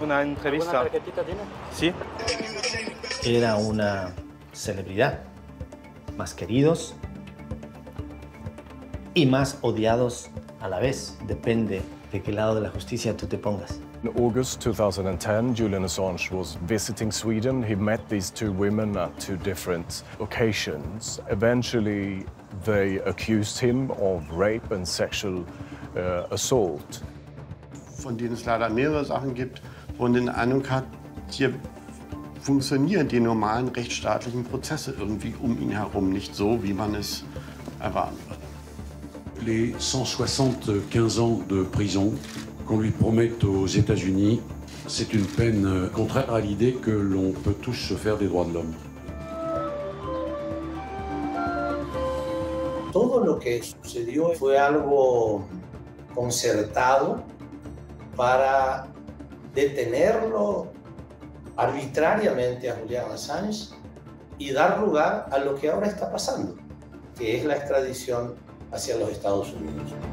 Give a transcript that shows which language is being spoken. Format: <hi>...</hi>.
<es>¿Una entrevista? ¿Alguna tarjetita tiene? Sí. Era una celebridad. Más queridos y más odiados a la vez. Depende de qué lado de la justicia tú te pongas.</es> <en>In August 2010, Julian Assange was visiting Sweden. He met these two women at 2 different occasions. Eventually, they accused him of rape and sexual assault.</en> <de>Von denen es leider mehrere Sachen gibt, wo man den Eindruck hat, hier funktionieren die normalen rechtsstaatlichen Prozesse irgendwie um ihn herum nicht so, wie man es erwarten würde.</de> <fr>Les 175 ans de prison qu'on lui promet aux États-Unis, c'est une peine contraire à l'idée que l'on peut tous se faire des droits de l'homme.</fr> <es>Todo lo que sucedió fue algo concertado para detenerlo arbitrariamente a Julian Assange y dar lugar a lo que ahora está pasando, que es la extradición hacia los Estados Unidos.</es>